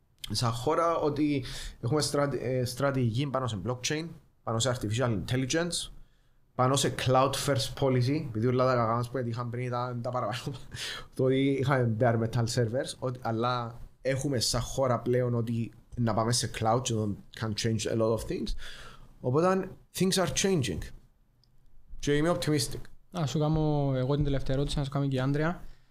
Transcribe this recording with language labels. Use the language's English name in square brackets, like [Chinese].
[Greek] σαν χώρα, ότι έχουμε στρατηγική πάνω σε blockchain, πάνω σε artificial intelligence, πάνω σε [English] cloud first policy, [Greek] επειδή όλα τα κακά μας που είχαν πριν ήταν τα παραπάνω, το ότι είχαμε [English] bare metal servers, [Greek] αλλά έχουμε σαν χώρα πλέον ότι να πάμε σε cloud και δεν [English] can change a lot of things. [Greek] Οπότε, [English] things are changing. [Greek] Και είμαι optimistic. Να σου κάνω εγώ την τελευταία ερώτηση, να σου κάνω και η Άντρια.